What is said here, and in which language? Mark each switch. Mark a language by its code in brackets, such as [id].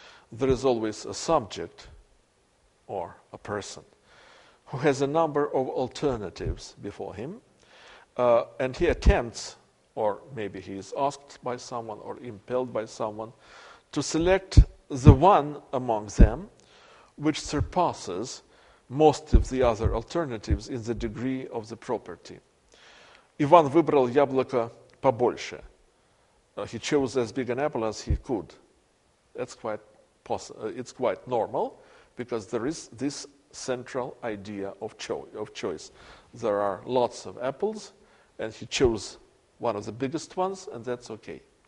[en] There is always a subject or a person who has a number of alternatives before him, and he attempts, or maybe he is asked by someone or impelled by someone, to select the one among them which surpasses most of the other alternatives in the degree of the property. [ru] Иван выбрал яблоко побольше. [en] He chose as big an apple as he could. It's quite normal, because there is this central idea of choice. There are lots of apples, and he chose one of the biggest ones, and that's okay.